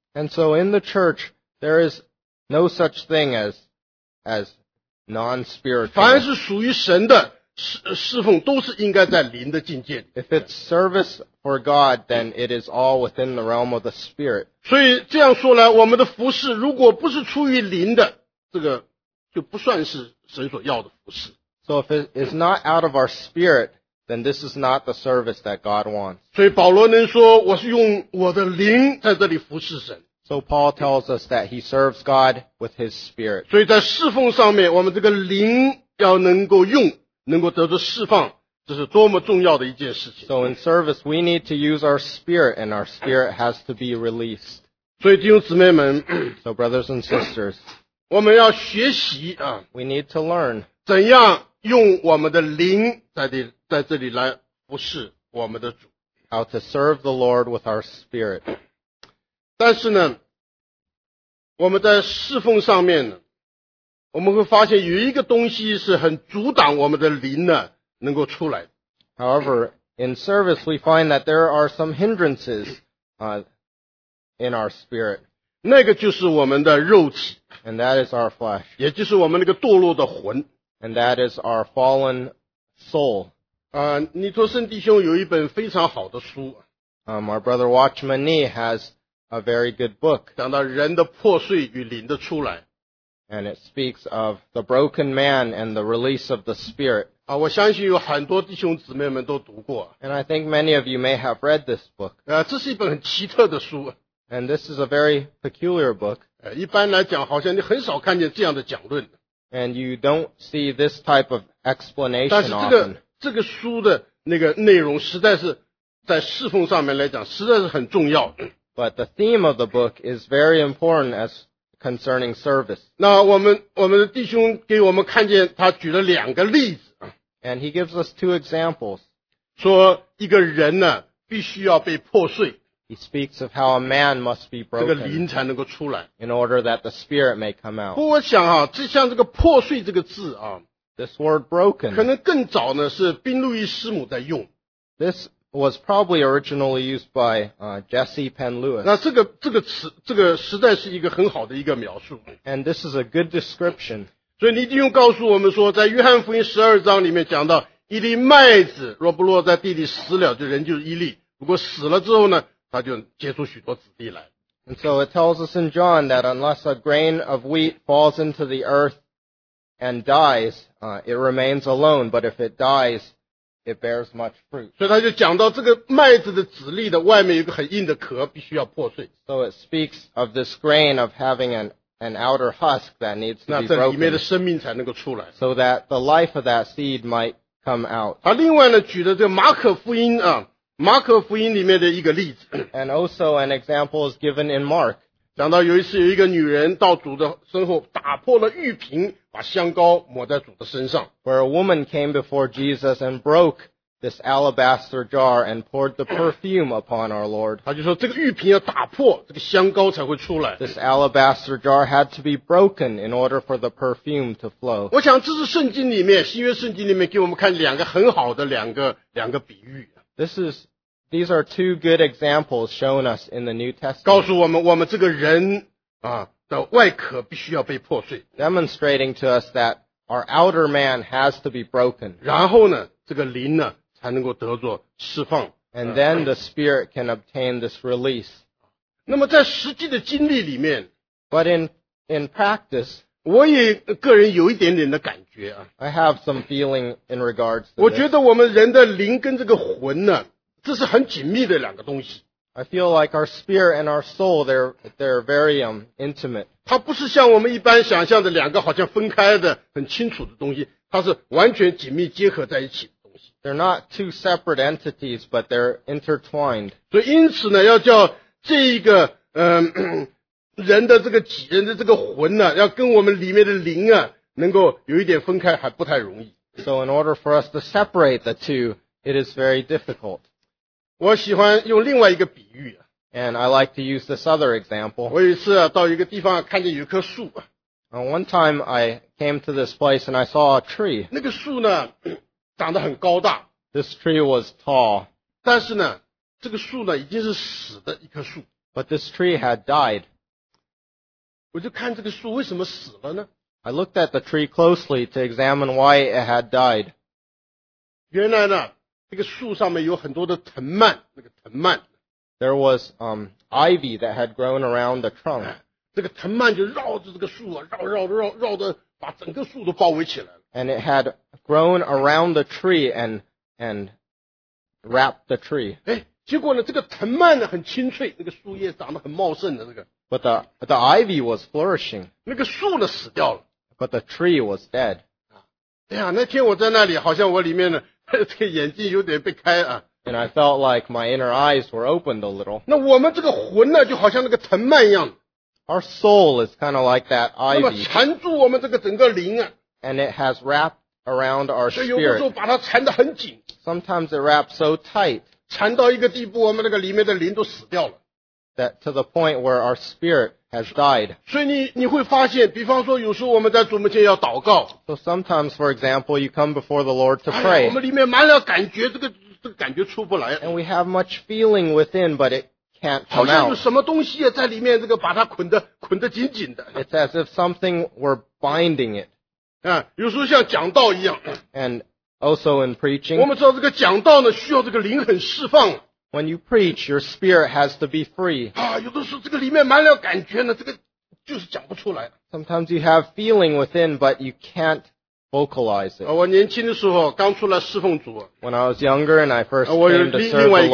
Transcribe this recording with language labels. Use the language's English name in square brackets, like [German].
[English] And so in the church, there is no such thing as non-spiritual. [Chinese] 凡是属于神的侍奉都是应该在灵的境界。 [English] If it's service for God, then it is all within the realm of the Spirit. [Chinese] 所以这样说来我们的服事如果不是出于灵的这个就不算是神所要的服事。 [English] So if it is not out of our spirit,then this is not the service that God wants. [Chinese] 所以保罗能说我是用我的灵在这里服侍神。 [English] So Paul tells us that he serves God with his spirit. [Chinese] 所以在侍奉上面我们这个灵要能够用能够得到释放这是多么重要的一件事情。 [English] So in service we need to use our spirit and our spirit has to be released. [Chinese] 所以弟兄姊妹们 [English] So brothers and sisters, [Chinese] 我们要学习啊 [English] We need to learn. [Chinese] 怎样用我们的灵在这里来服侍我们的主。 [English] How to serve the Lord with our spirit. [Chinese] 但是呢我们在侍奉上面呢我们会发现有一个东西是很阻挡我们的灵呢能够出来。 [English] However, in service we find that there are some hindrances, in our spirit. [Chinese] 那个就是我们的肉体。 [English] And that is our flesh. [Chinese] 也就是我们那个堕落的魂。 [English] And that is our fallen soul. [Chinese] 尼托森弟兄有一本非常好的书。 [English] Our brother Watchman Nee has a very good book. [Chinese] 讲到人的破碎与灵的出来。 [English] And it speaks of the broken man and the release of the spirit. [Chinese] 啊，我相信有很多弟兄姊妹们都读过。 [English] And I think many of you may have read this book. [Chinese] 这是一本很奇特的书。 [English] And this is a very peculiar book. [Chinese] 一般来讲，好像你很少看见这样的讲论。 [English] And you don't see this type of explanation often. [Chinese] 但是这个书的那个内容实在是在侍奉上面来讲实在是很重要。 [English] But the theme of the book is very important as concerning service. [Chinese] 那我们的弟兄给我们看见他举了两个例子。 [English] And he gives us two examples. [Chinese] 说一个人呢必须要被破碎。 [English] He speaks of how a man must be broken. [Chinese] 这个灵才能够出来。 [English] In order that the spirit may come out. [Chinese] 不过我想啊这像这个破碎这个字啊。 [English] This word broken. [Chinese] 可能更早呢是宾路易师母在用。 [English] This was probably originally used by, Jesse Penlewis. [Chinese] 那这个词这个实在是一个很好的一个描述。 [English] And this is a good description. [Chinese] 所以尼迪兄告诉我们说在约翰福音十二章里面讲到一粒麦子若不落在地里死了就人就是一粒。不过死了之后呢他就结出许多子粒来。 [English] And so it tells us in John that unless a grain of wheat falls into the earth and dies, it remains alone, but if it dies, it bears much fruit. [Chinese] 所以他就讲到这个麦子的子粒的外面有个很硬的壳必须要破碎。 [English] So it speaks of this grain of having an outer husk that needs to be broken. [Chinese] 那这里面的生命才能够出来。 [English] So that the life of that seed might come out. [Chinese] 他另外呢举的这个马可福音啊马可福音里面的一个例子。 [English] And also an example is given in Mark. [Chinese] 讲到有一次有一个女人到主的身后打破了玉瓶把香膏抹在主的身上。 [English] Where a woman came before Jesus and broke this alabaster jar and poured the perfume upon our Lord. [Chinese] 他就说这个玉瓶要打破这个香膏才会出来。 [English] This alabaster jar had to be broken in order for the perfume to flow. [Chinese] 我想这是圣经里面新约圣经里面给我们看两个很好的两个比喻。 [English] These are two good examples shown us in the New Testament. [Chinese] 告诉我们这个人啊的外壳必须要被破碎。 [English] Demonstrating to us that our outer man has to be broken. [Chinese] 然后呢这个灵呢才能够得着释放。 [English] And then the spirit can obtain this release. [Chinese] 那么在实际的经历里面。 [English] But in practice, [Chinese] 我也个人有一点点的感觉啊。 [English] I have some feeling in regards to this. [Chinese] 我觉得我们人的灵跟这个魂呢这是很紧密的两个东西。 [English] I feel like our spirit and our soul, they're very, intimate. [Chinese] 它不是像我们一般想象的两个好像分开的很清楚的东西它是完全紧密结合在一起的东西。 [English] They're not two separate entities, but they're intertwined. [Chinese] 所以因此呢要叫这一个人的这个己人的这个魂呢要跟我们里面的灵啊能够有一点分开还不太容易。 [English] So in order for us to separate the two, it is very difficult. [Chinese] 我喜欢用另外一个比喻。 [English] And I like to use this other example. [Chinese] 我有一次啊到一个地方看见有棵树。 [English] One time I came to this place and I saw a tree. [Chinese] 那个树呢长得很高大。 [English] This tree was tall. [Chinese] 但是呢这个树呢已经是死的一棵树。 [English] But this tree had died. [Chinese] 我就看这个树为什么死了呢? [English] I looked at the tree closely to examine why it had died. [Chinese] 原来呢,这个树上面有很多的藤蔓,那个藤蔓。 [English] There was, ivy that had grown around the trunk. [Chinese] 这个藤蔓就绕着这个树啊,绕绕绕绕的把整个树都包围起来了。 [English] And it had grown around the tree and wrapped the tree. [Chinese] 诶,结果呢,这个藤蔓呢很清脆,那个树叶长得很茂盛的那个。 [English] But the ivy was flourishing. [Chinese] 那个树呢死掉了。 [English] But the tree was dead. [Chinese] 哎呀那天我在那里好像我里面的这个眼睛有点被开啊。 [English] And I felt like my inner eyes were opened a little. [Chinese] 那我们这个魂呢就好像那个藤蔓一样。 [English] Our soul is kind of like that ivy. [Chinese] 那么缠住我们这个整个灵啊。 [English] And it has wrapped around our spirit. [Chinese] 所以有的时候把它缠得很紧。 [English] Sometimes it wraps so tight. [Chinese] 缠到一个地步我们那个里面的灵都死掉了。 [English] That to the point where our spirit has died. [Chinese] 所以你会发现比方说有时候我们在主面前要祷告。 [English] So sometimes, for example, you come before the Lord to pray. [Chinese] 我们里面满了感觉这个感觉出不来。 [English] And we have much feeling within, but it can't come out. [Chinese] 好像有什么东西在里面这个把它捆得紧紧的。 [English] It's as if something were binding it. [Chinese] 有时候像讲道一样。 [English] And also in preaching. [Chinese] 我们知道这个讲道呢需要这个灵很释放。 [English] When you preach, your spirit has to be free. [Chinese] 啊，有的时候这个里面满了感觉呢，这个就是讲不出来。 [English] Sometimes you have feeling within, but you can't vocalize it. [Chinese] 我年轻的时候刚出来侍奉主。 [English] When I was younger and I first came to serve the Lord.